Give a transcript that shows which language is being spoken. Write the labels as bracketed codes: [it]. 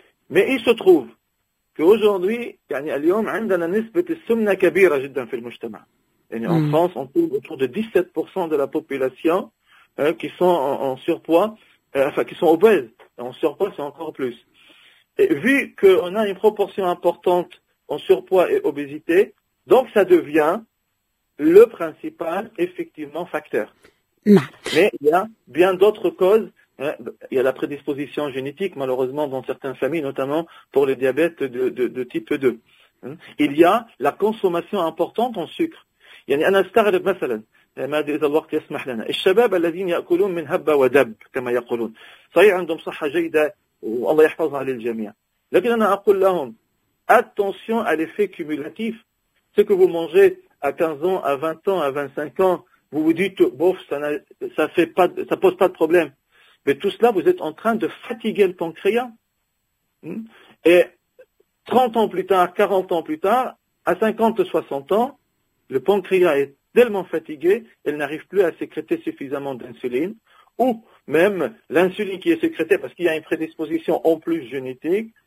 [fr] Mais il se trouve qu'aujourd'hui, [ar] يعني اليوم عندنا نسبة السمنة كبيرة جدا في المجتمع. [fr] Et en France, on trouve autour de 17% de la population qui sont en surpoids, enfin qui sont obèses. En surpoids, c'est encore plus. Et vu qu'on a une proportion importante en surpoids et obésité, donc ça devient le principal, effectivement, facteur. Mais il y a bien d'autres causes. Il y a la prédisposition génétique, malheureusement, dans certaines familles, notamment pour les diabètes de type 2. Il y a la consommation importante en sucre. [ar] يعني أنا استغرب مثلا، ما أدري إذا الوقت يسمح لنا، الشباب الذين يأكلون من هب ودب كما يقولون، صحيح عندهم صحة جيدة والله يحفظها للجميع، لكن أنا أقول لهم [fr] attention à l'effet cumulatif. Ce que vous mangez à 15 ans, à 20 ans, à 25 ans, vous vous dites bof, ça pose pas de problème. Mais tout cela, vous êtes en train de fatiguer le pancréas. Et 30 ans plus tard, 40 ans plus tard, à 50, 60 ans, le pancréas est tellement fatigué, il n'arrive plus à sécréter suffisamment d'insuline, ou même l'insuline qui est sécrétée parce qu'il y a une prédisposition en plus génétique,